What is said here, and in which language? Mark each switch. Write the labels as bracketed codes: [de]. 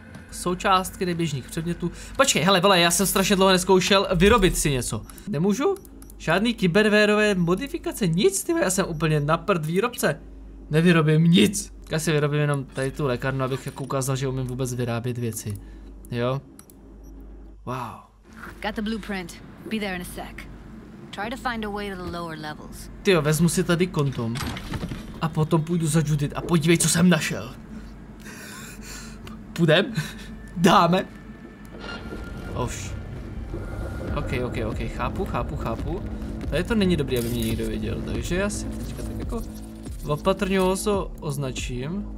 [cs] Součástky neběžných předmětů. Počkej, hele, vole, já jsem strašně dlouho neskoušel vyrobit si něco. Nemůžu? Žádný kyberwareové modifikace, nic, ty, já jsem úplně na prd výrobce. Nevyrobím nic. Já si vyrobím jenom tady tu lékárnu, abych jako ukázal, že umím vůbec vyrábět věci. Jo? Wow. [en] Got the blueprint. Be there in a sec. Try to find a way to the lower levels. [cs] Tyjo, vezmu si tady kontum. A potom půjdu za Judith a podívej, co jsem našel. Půjdem? Dáme? Oš. Okej, chápu. Tady to není dobrý, aby mě někdo věděl, takže já si teďka tak jako opatrně ho označím.